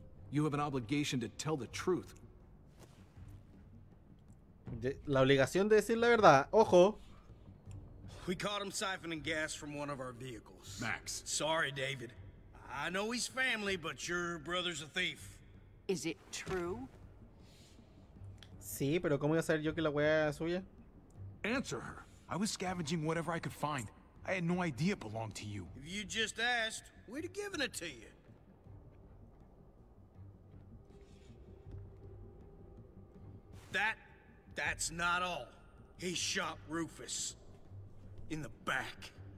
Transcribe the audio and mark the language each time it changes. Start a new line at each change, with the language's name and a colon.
English: You have an obligation to tell the truth.
Spanish: La obligación de decir la verdad. Ojo.
English: We caught him siphoning gas from one of our vehicles. Max. Sorry, David. I know he's family, but your brother's a thief. Is it true?
Spanish: Sí, pero ¿cómo iba a saber yo que la wea es suya?
English: Answer her. I was scavenging whatever I could find. I had no idea it belonged to you. If you just asked, we'd have given it to you. That's not all. He shot Rufus in the back.